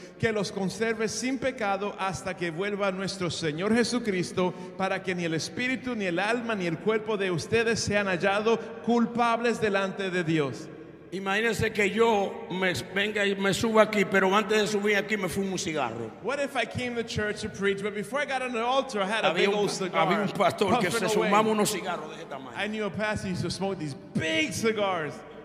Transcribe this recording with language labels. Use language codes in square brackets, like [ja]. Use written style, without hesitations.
[es] Que los conserve sin pecado hasta que vuelva nuestro Señor Jesucristo. Para que ni el espíritu, ni el alma, ni el cuerpo de ustedes sean hallados culpables delante de Dios. Imagínense que yo venga y me subo aquí, pero antes de subir aquí me fumo un cigarro. [en] What if I came to church to preach, but before I got on the altar I had a big old cigar. [es] Había un pastor que se fumaba unos cigarros de esta manera. [en] I knew a pastor used to smoke these big cigars.